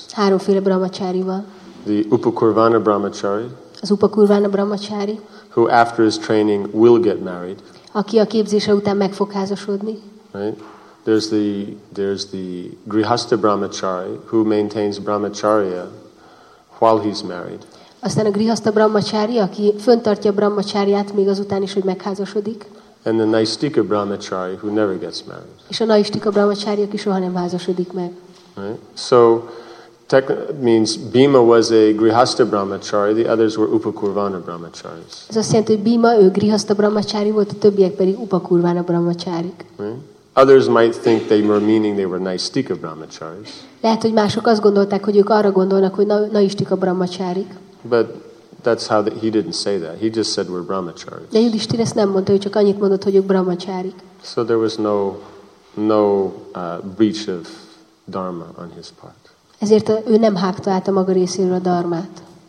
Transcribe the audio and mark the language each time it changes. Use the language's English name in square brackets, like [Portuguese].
[Hungarian] Háromféle brahmachari van. [English] The upakurvana brahmachari. [Hungarian] Az upakurvana brahmachari, [English] who after his training will get married. [Hungarian] Aki a képzése után meg fog házasodni. [English] Right? There's the grihastha brahmachari who maintains brahmacharya while he's married. [Hungarian] Aztán a grihastha brahmachari, aki fönntartja brahmacharyát még azután is, hogy megházasodik. [English] And the naistika brahmachari who never gets married. [Hungarian] És a naistika brahmachari, aki soha nem házasodik meg. [English] Right? So means Bhima was a grihastha brahmachari, the others were upakurvana brahmacharis. [Hungarian] Ez azt jelenti, hogy Bhima, ő grihastha brahmachari volt, a többiek pedig upakurvana brahmacharik. [English] Others might think they were meaning they were naistika brahmacharis. [Hungarian] Lehet, hogy mások azt gondolták, hogy ők arra gondolnak, hogy naistika brahmacharik. [English] But That's how he didn't say that. He just said we're brahmacharis. [Hungarian] De Yudhisthira ezt nem mondta, ő csak annyit mondott, hogy ők brahmacharik. [English] So there was no breach of dharma on his part. [Hungarian] Ezért ő nem hágta át a maga részéről a dharmát.